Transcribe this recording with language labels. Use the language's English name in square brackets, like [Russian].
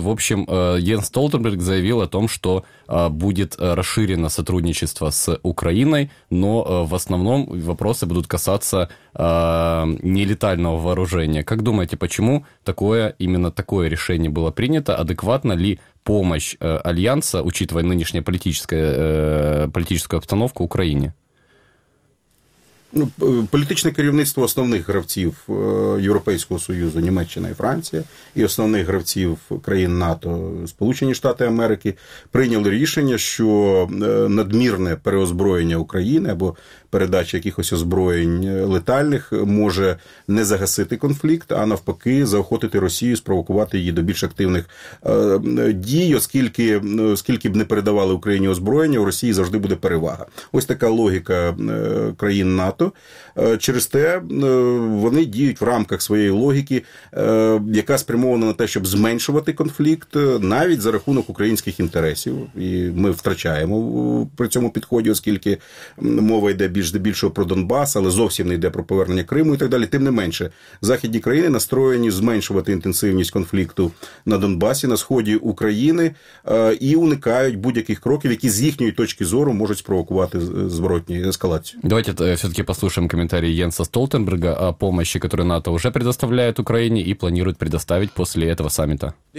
[Russian] В общем, Йенс Столтенберг заявил о том, что будет расширено сотрудничество с Украиной, но в основном вопросы будут касаться нелетального вооружения. Как думаете, почему именно такое решение было принято? Адекватно ли помощь Альянса, учитывая нынешнюю политическую обстановку, Украине? [Ukrainian] Політичне керівництво основних гравців Європейського Союзу, Німеччина і Франція, і основних гравців країн НАТО, Сполучені Штати Америки, прийняли рішення, що надмірне переозброєння України або передача якихось озброєнь летальних може не загасити конфлікт, а навпаки заохотити Росію, спровокувати її до більш активних дій, оскільки б не передавали Україні озброєння, у Росії завжди буде перевага. Ось така логіка країн НАТО. Через те вони діють в рамках своєї логіки, яка спрямована на те, щоб зменшувати конфлікт, навіть за рахунок українських інтересів. І ми втрачаємо при цьому підході, оскільки мова йде більш здебільшого про Донбас, але зовсім не йде про повернення Криму і так далі. Тим не менше, західні країни настроєні зменшувати інтенсивність конфлікту на Донбасі, на сході України, і уникають будь-яких кроків, які з їхньої точки зору можуть спровокувати зворотню ескалацію. [Russian] Давайте все-таки послушаем комментарии Йенса Столтенберга о помощи, которую НАТО уже предоставляет Украине и планирует предоставить после этого саммита.